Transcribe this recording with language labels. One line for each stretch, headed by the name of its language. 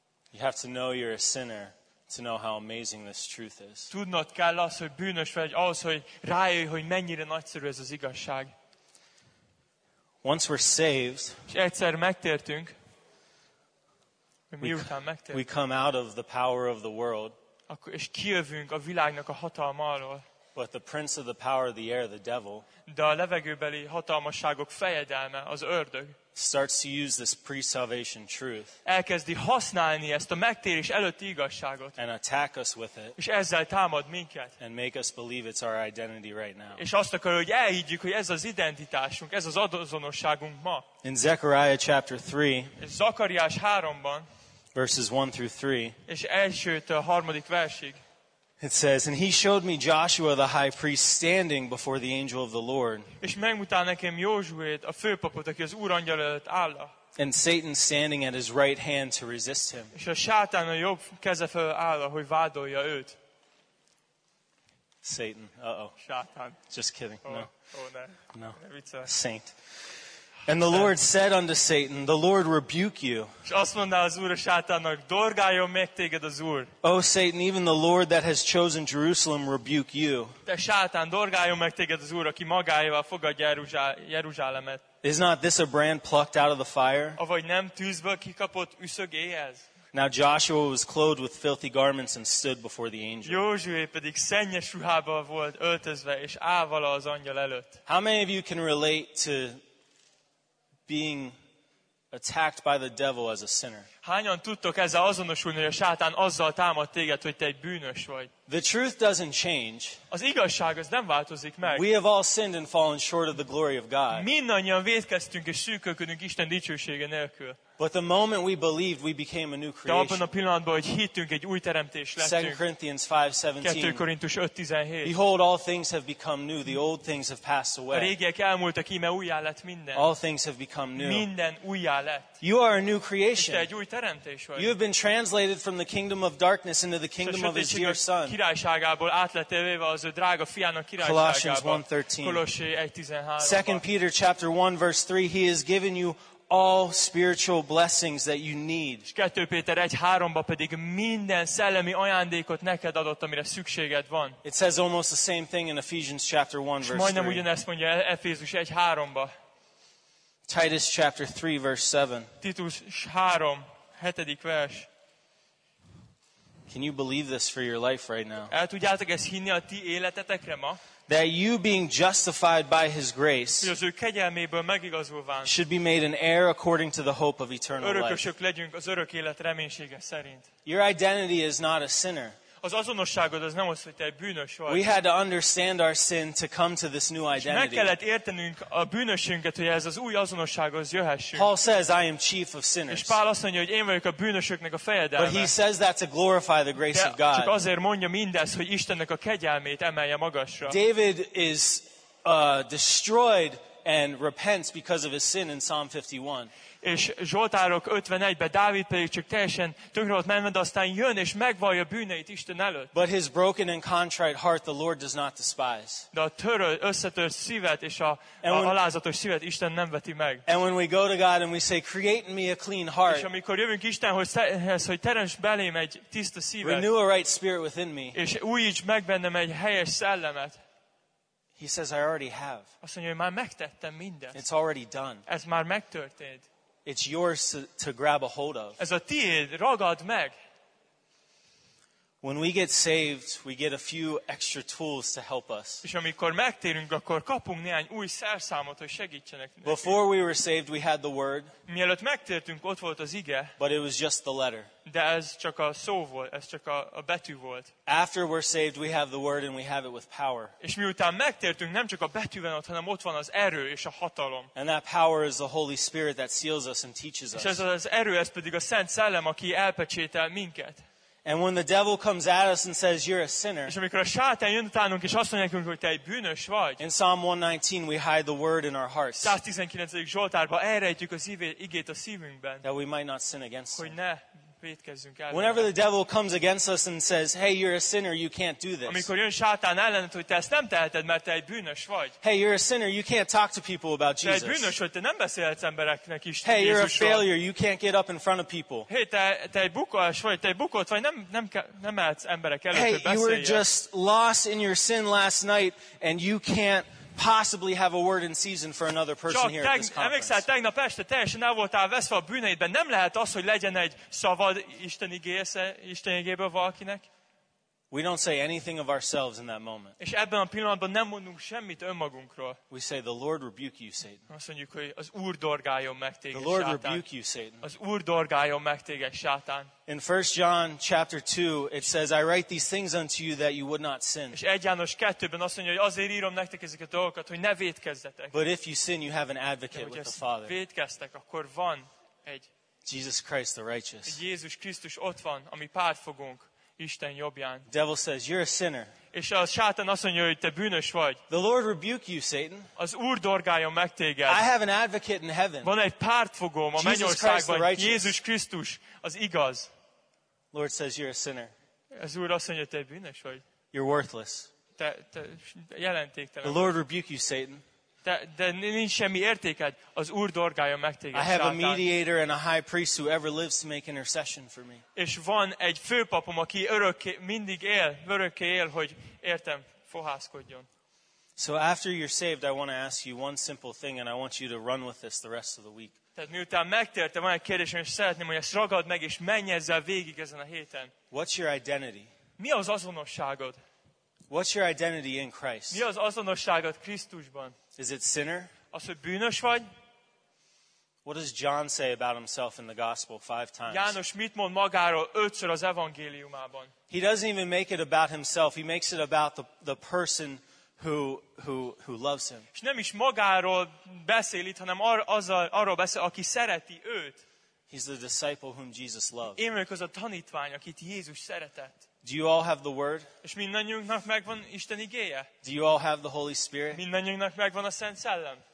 English: You have to know you're a sinner to know how amazing this truth is.
Hungarian: Tudnod kell az, hogy bűnös vagy, ahhoz, hogy rájöjj, hogy mennyire nagyszerű ez az igazság.
English: Once we're saved,
Hungarian: és egyszer megtértünk, miután megtértünk,
English: we come out of the power of the world,
Hungarian: akkor és kijövünk a világnak a hatalma alól.
English: But the prince of the power of the air, the devil,
Hungarian: de a levegőbeli hatalmasságok fejedelme, az ördög,
English: starts to use this pre-salvation truth,
Hungarian: elkezdi használni ezt a megtérés előtti igazságot,
English: and attack us with it,
Hungarian: és ezzel támad minket,
English: and make us believe it's our identity right now,
Hungarian: és azt akarja, hogy elhiggyük, hogy ez az identitásunk, ez az azonosságunk ma.
English: In Zechariah chapter 3,
Hungarian: és Zakariás 3-ban,
English: verses 1 through 3,
Hungarian: és elsőtől harmadik versig,
English: it says, and he showed me Joshua the high priest standing before the angel of the Lord.
Hungarian: És megmutatta nekem Józsuét, a főpapot, aki az Úr angyala előtt áll.
English: And Satan standing at his right hand to resist him.
Hungarian: És a sátán a jobb keze felől áll, hogy vádolja őt.
English: Satan, uh-oh.
Hungarian: Sátán.
English: Just kidding, no. Oh, no. No. Saint. And the Lord said unto Satan, the Lord rebuke you.
Hungarian: És azt mondta az Úr a sátánnak, dorgáljon meg téged az Úr.
English: O Satan, even the Lord that has chosen Jerusalem rebuke you.
Hungarian: Te sátán, dorgáljon meg téged az Úr, aki magáival fogadja Jeruzsálemet.
English: Is not this a brand plucked out of the fire?
Hungarian: Avagy nem tűzből kikapott üszög éhez?
English: Now Joshua was clothed with filthy garments and stood before the angel.
Hungarian: Józsué pedig szennyes ruhába volt öltözve, és áll vala az angyal előtt.
English: How many of you can relate to being attacked by the devil as a sinner?
Hungarian: Hányan tudtok ezzel azonosulni, hogy a sátán azzal támad téged, hogy te egy bűnös vagy?
English: The truth doesn't change.
Hungarian: Az igazság az nem változik meg.
English: We have all sinned and fallen short of the glory of God.
Hungarian: Mindannyian vétkeztünk és szűkölködünk Isten dicsősége nélkül.
English: But the moment we believed, we became a new creation.
Hungarian: De abban a pillanatban, hogy hittünk, egy új teremtés lettünk.
English: 2 Corinthians 5:17.
Hungarian: 2 Korintus 5:17.
English: Behold, all things have become new. The old things have passed away.
Hungarian: A régiek elmúltak, íme újjá lett minden.
English: All things have become new.
Hungarian: Minden újjá lett.
English: You are a new creation.
Hungarian: És te egy új teremtés vagy.
English: You have been translated from the kingdom of darkness into the kingdom of his dear son.
Hungarian: Királyságából átletevéve az ő drága fiának királyságába. Colossians 1:13. Kolossé 1:13.
English: 2 Peter chapter 1 verse 3. He has given you all spiritual blessings that you need.
Hungarian: 2 Péter 1:3-ban pedig minden szellemi ajándékot neked adott, amire szükséged van.
English: It says almost the same thing in Ephesians chapter 1 verse 3.
Hungarian: Majdnem ugyanezt mondja Efézus 1:3-ban.
English: Titus chapter 3 verse 7.
Hungarian: Titus 3, 7. vers.
English: Can you believe this for your life right now?
Hungarian: El tudjátok ezt hinni a ti életetekre ma?
English: That you being justified by his grace,
Hungarian: hogy az ő kegyelméből megigazulván,
English: should be made an heir according to the hope of eternal life.
Hungarian: Örökösök legyünk az örök élet reménysége szerint.
English: Your identity is not a sinner.
Hungarian: Az azonosságod az nem az, hogy te egy bűnös vagy.
English: We had to understand our sin to come to this new identity.
Hungarian: Meg kellett értenünk a bűnösünket, hogy ez az új azonossághoz jöhessünk.
English: Paul says, I am chief of sinners.
Hungarian: És Pál azt mondja, hogy én vagyok a bűnösöknek a fejedelme.
English: But he says that to glorify the grace of God.
Hungarian: Csak azért mondja mindezt, hogy Istennek a kegyelmét emelje magasra.
English: David is destroyed and repents because of his sin in Psalm 51.
Hungarian: És Zsoltárok 51-ben Dávid pedig csak teljesen tönkre volt menve, de aztán jön és megvallja bűneit Isten előtt.
English: But his broken and contrite heart the Lord does not despise.
Hungarian: De a törött, összetört szívet és a alázatos szívet Isten nem veti meg.
English: And when we go to God and we say, create in me a clean heart.
Hungarian: És amikor jövünk Istenhez, hogy teremts belém egy tiszta szívet.
English: Renew a right spirit within me.
Hungarian: És újíts meg bennem egy helyes szellemet.
English: He says, I already have.
Hungarian: Azt mondja, hogy már megtettem mindent.
English: It's already done.
Hungarian: Ez már megtörtént.
English: It's yours to grab a hold of.
Hungarian: Ez a tiéd, ragadd meg.
English: When we get saved, we get a few extra tools to help us.
Hungarian: És amikor megtérünk, akkor kapunk néhány új szerszámot, hogy segítsenek.
English: Before we were saved, we had the word.
Hungarian: Mielőtt megtértünk, ott volt az ige.
English: But it was just the letter.
Hungarian: De ez csak a szó volt, ez csak a betű volt.
English: After we're saved, we have the word and we have it with power.
Hungarian: És miután megtértünk, nem csak a betű van ott, hanem ott van az erő és a hatalom.
English: And that power is the Holy Spirit that seals us and teaches us.
Hungarian: És az erő, ez pedig a Szent Szellem, aki elpecsétel minket.
English: And when the devil comes at us and says, you're a sinner.
Hungarian: És amikor a sátán jön utánunk, és azt mondja nekünk, hogy te egy bűnös vagy.
English: In Psalm 119, we hide the word in our hearts.
Hungarian: 119. Zsoltárban elrejtjük az igét a szívünkben.
English: That we might not sin against him.
Hungarian: Hogy ne védkezzünk el.
English: Whenever the devil comes against us and says, "Hey, you're a sinner, you can't do this."
Hungarian: Amikor jön Sátán ellened, hogy te ezt nem teheted, mert te egy bűnös vagy.
English: Hey, you're a sinner, you can't talk to people about Jesus.
Hungarian: Te egy bűnös vagy, te nem beszélhetsz embereknek Isten
English: Jézusról. Hey, you're a failure, you can't get up in front of people.
Hungarian: Hey, te egy bukós vagy, te egy bukott vagy, nem mehetsz emberek előtt, hey, hogy beszélj.
English: You were just lost in your sin last night and you can't possibly have a word in season for another person here at this conference.
Hungarian: Csak tegnap este teljesen el voltál veszve a bűneidben. Nem lehet az, hogy legyen egy szavad Isten igéből valakinek.
English: We don't say anything of ourselves in that moment.
Hungarian: És ebben a pillanatban nem mondunk semmit önmagunkról.
English: We say the Lord rebuke you, Satan.
Hungarian: Azt mondjuk, hogy az Úr dorgáljon meg téged, Sátán.
English: The Lord rebuke you, Satan.
Hungarian: Az Úr dorgáljon meg téged, Sátán.
English: In 1 John chapter 2 it says, "I write these things unto you that you would not sin."
Hungarian: És 1 János 2-ben azt mondja, hogy azért írom nektek ezeket a dolgokat, hogy ne vétkezzetek.
English: But if you sin, you have an advocate with the Father.
Hungarian: De hogyha vétkeztek, akkor van egy
English: Jesus Christ the righteous.
Hungarian: Jézus Krisztus ott van, ami pártfogunk. Isten jobbján.
English: Devil says, "You're a sinner."
Hungarian: És a Sátán azt mondja, hogy te bűnös vagy.
English: The Lord rebuke you, Satan.
Hungarian: Az Úr dorgáljon meg téged.
English: I have an advocate in heaven.
Hungarian: Van egy pártfogóm a mennyországban. Jézus Krisztus, az igaz.
English: Lord says, "You're a sinner."
Hungarian: Az Úr azt mondja, te bűnös vagy.
English: You're worthless.
Hungarian: Te jelentéktelen.
English: The Lord rebuke you, Satan.
Hungarian: De nincs semmi értéked, az Úr dorgáljon meg téged, Sátán.
English: I have a mediator and a high priest who ever lives to make intercession for me.
Hungarian: És van egy főpapom, aki örökké mindig él, örökké él, hogy értem fohászkodjon.
English: So after you're saved, I want to ask you one simple thing, and I want you to run with this the rest of the week.
Hungarian: Tehát miután megtértem, van egy kérdés, és szeretném, hogy ezt ragad meg, és menj ezzel végig ezen a héten.
English: What's your identity?
Hungarian: Mi az azonosságod?
English: What's your identity in Christ?
Hungarian: Mi az azonosságod Krisztusban?
English: Is it sinner?
Hungarian: Az, hogy bűnös vagy?
English: What does John say about himself in the gospel 5 times?
Hungarian: János mit mond magáról 5-ször az evangéliumában?
English: He doesn't even make it about himself. He makes it about the person who loves him.
Hungarian: És nem is magáról beszél itt, hanem arról beszél, aki szereti őt.
English: He's the disciple whom Jesus loved.
Hungarian: Én vagyok az a tanítvány, akit Jézus szeretett.
English: Do you all have the word?
Hungarian: És mindannyiunknak megvan Isten igéje.
English: Do you all have the Holy Spirit?
Hungarian: Mindannyiunknak megvan a Szent Szellem.